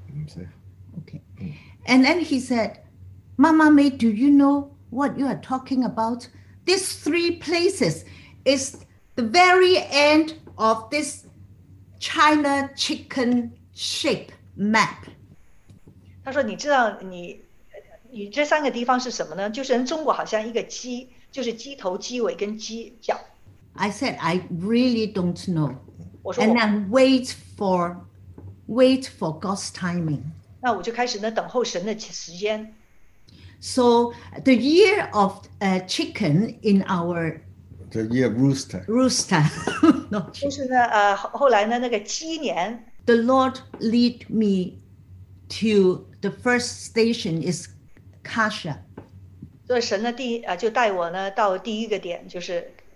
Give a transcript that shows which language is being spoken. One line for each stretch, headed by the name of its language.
English: Okay. And then he said, Mama May, do you know what you are talking about? These three places is the very end of this China chicken shape map.
Chinese: 他说你知道你这三个地方是什么呢?就是中国好像一个鸡,就是鸡头、鸡尾跟鸡脚。
English: I said, I really don't know. And then wait for God's timing.
Chinese: 那我就开始呢等候神的时间。So
English: the year of chicken in our the year of rooster. Rooster.
Chinese: 就是呢，后来呢那个鸡年。
English: The Lord lead me to the first station is Kasha.
Chinese: 就神呢第一就带我呢到第一个点就是。